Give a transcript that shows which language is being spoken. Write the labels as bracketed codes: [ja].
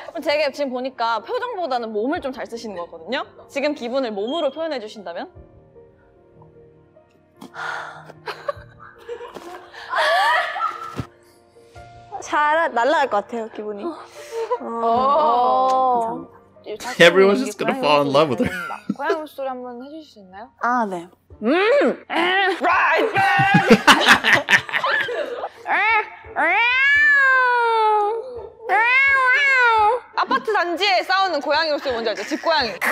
[ko] 제가 지금 보니까 표정보다는 몸을 좀 잘 쓰시는 것 같거든요? 지금 기분을 몸으로 표현해 주신다면? 잘, 날아갈 것 같아요, 기분이. 감사합니다. [en] Everyone's just gonna fall in love with her. [ko] 고양이 소리 한번 해주실 수 있나요? 아, 네. [en] Right back! [ko] 아파트 단지에 싸우는 고양이 목소리 뭔지 알죠? 집고양이.